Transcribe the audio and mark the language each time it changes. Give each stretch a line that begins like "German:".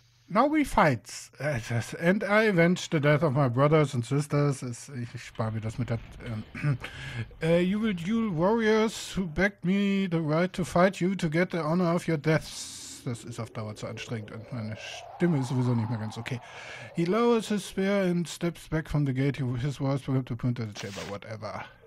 English: Now we fight, and I avenge the death of my brothers and sisters."
German: Ich spare mir das mit der.
English: "You will duel warriors who begged me the right to fight you to get the honor of your deaths."
German: Das ist auf Dauer zu anstrengend und meine Stimme ist sowieso nicht mehr ganz okay.
English: He lowers his spear and steps back from the gate. His voice will have to point at the chamber, whatever.